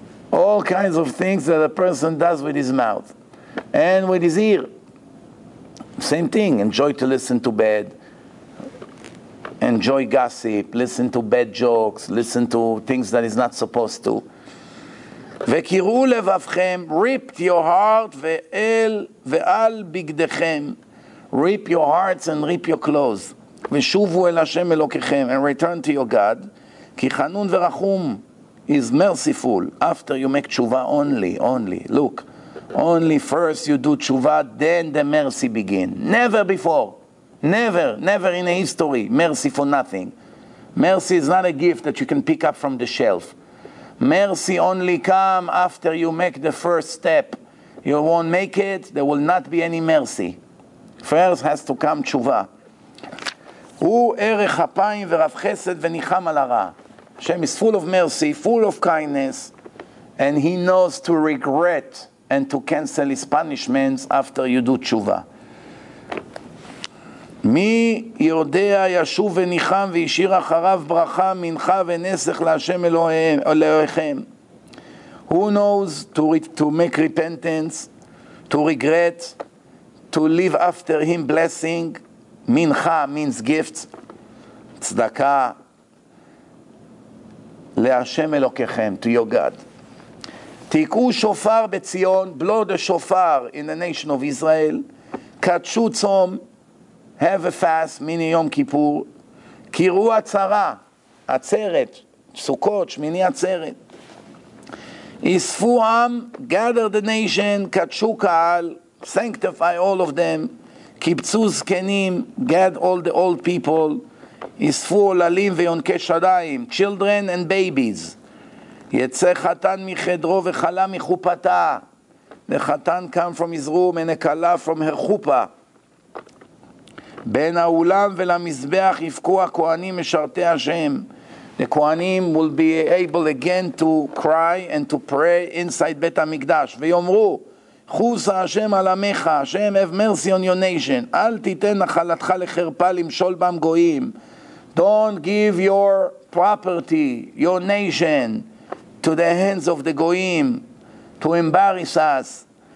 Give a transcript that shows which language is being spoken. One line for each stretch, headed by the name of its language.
English: All kinds of things that a person does with his mouth. And with his ear. Same thing, enjoy to listen to bad. Enjoy gossip, listen to bad jokes, listen to things that he's not supposed to.
Hebrew: וקירו לבבכם,
English: ripped your heart
Hebrew: ועל בגדכם.
English: Rip your hearts and rip your clothes.
Hebrew: ושובו אל השם אלוקיכם,
English: and return to your God.
Hebrew: כי חנון ורחום
English: is merciful after you make תשובה only, only. Look, only first you do תשובה, then the mercy begin. Never before, never, never in a history, mercy for nothing. Mercy is not a gift that you can pick up from the shelf. Mercy only come after you make the first step. You won't make it, there will not be any mercy. First has to come תשובה.
Hebrew: הוא ערך אפיים ורב חסד וניחם על הרע.
English: Hashem is full of mercy, full of kindness, and he knows to regret and to cancel his punishments after you do תשובה.
Hebrew: מי יודע ישוב וניחם וישיר אחריו ברכה מנחה ונסך להשם אלוהיכם.
English: Who knows to make repentance, to regret, to live after him blessing. מנחה means gift, צדקה,
Hebrew: להשם אלוהיכם,
English: to your God.
Hebrew: תיקו שופר בציון,
English: blow the shofar in the nation of Israel.
Hebrew: קדשו צום,
English: have a fast, mini Yom Kippur.
Hebrew: Kiru atzara, atzeret, sukot, shmini atzeret. Isfu am,
English: gather the nation,
Hebrew: katshu kaal,
English: sanctify all of them. Kibtzu zkenim, get all the old people.
Hebrew: Isfu olalim veyonke shadayim,
English: children and babies.
Hebrew: Yetze chatan michedro vechala michupata.
English: The chatan come from his room and a kala from her chupa.
Hebrew: בין האולם ולמזבח יפקו הכהנים משרתי השם.
English: The kohanim will be able again to cry and to pray inside Bet HaMikdash.
Hebrew: ויאמרו, חוסה השם על עמך, השם
English: have mercy on your nation.
Hebrew: אל תיתן נחלתך לחרפה למשול בם גויים.
English: Don't give your property, your nation, to the hands of the goyim, to embarrass us.